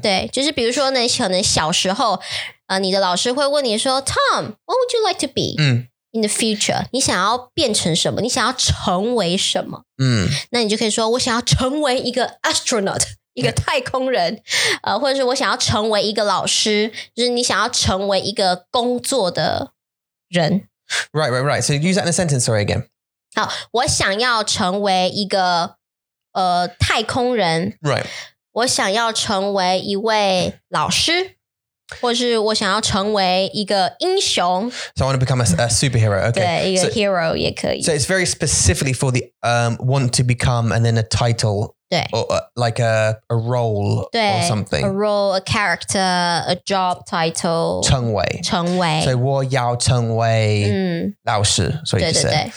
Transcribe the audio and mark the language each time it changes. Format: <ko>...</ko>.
<zh>对就是比如说呢可能小时候。你的老师会问你说</zh> <en>Tom, what would you like to be in the future?</en> <zh>你想要变成什么？你想要成为什么？那你就可以说我想要成为一个 astronaut, 一个太空人、或者是我想要成为一个老师就是你想要成为一个工作的人。</zh> <en>Right, right, right. So use that in a sentence, sorry, again.</en> <zh>好我想要成为一个太空人。</zh> <en>Right.</en> <zh>我想要成为一位老师。或是我想要成为一个英雄。</zh> <en>So I want to become a superhero. Okay.</en> <zh>对，一个 hero 也可以。</zh> <en>So it's very specifically for the want to become and then a title.</en> <zh>对。</zh> <en>Or like a role</en> <zh>对,</zh> <en>or something. A role, a character, a job title.</en> <zh>成为。成为。 So 我要成为老师。对对对。</zh>